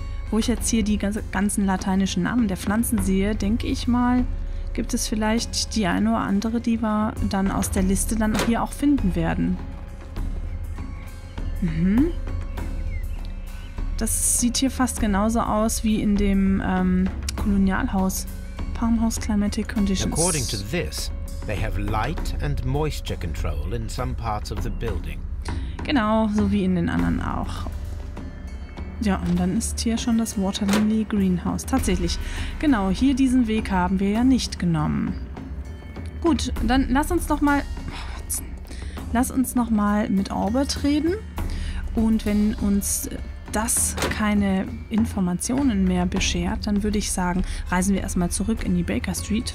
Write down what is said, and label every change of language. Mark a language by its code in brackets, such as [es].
[de] Wo ich jetzt hier die ganzen lateinischen Namen der Pflanzen sehe, denke ich mal, gibt es vielleicht die eine oder andere, die wir dann aus der Liste dann hier auch finden werden. Mhm. Das sieht hier fast genauso aus wie in dem Kolonialhaus. [en] Palmhouse Climatic Conditions. According to this, they have light and moisture control in some parts of the building. [de] Genau, so wie in den anderen auch. Ja, und dann ist hier schon das Waterlily Greenhouse. Tatsächlich. Genau, hier diesen Weg haben wir ja nicht genommen. Gut, dann lass uns doch mal... Lass uns noch mal mit Albert reden. Und wenn uns das keine Informationen mehr beschert, dann würde ich sagen, reisen wir erstmal zurück in die Baker Street.